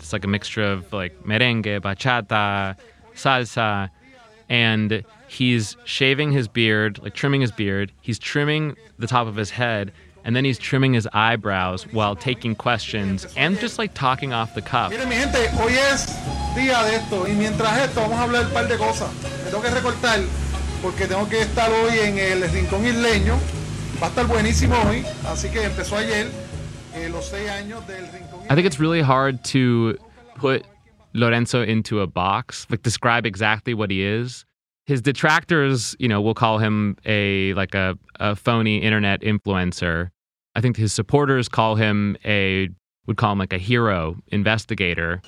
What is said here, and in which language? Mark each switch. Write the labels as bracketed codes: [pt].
[en] It's like a mixture of like merengue, bachata, salsa. And he's shaving his beard, like trimming his beard. He's trimming the top of his head, and then he's trimming his eyebrows while taking questions and just like talking off the cuff. [es] Miren, mi gente, hoy es día de esto, y mientras esto, vamos a hablar un par de cosas. Me tengo que recortar porque tengo que estar hoy en el Rincón Isleño. Va a estar buenísimo hoy, así que empezó ayer los 6 años del Rincón Isleño. [en] I think it's really hard to put Lorenzo into a box, like describe exactly what he is. His detractors, you know, will call him a phony internet influencer. I think his supporters would call him like a hero investigator.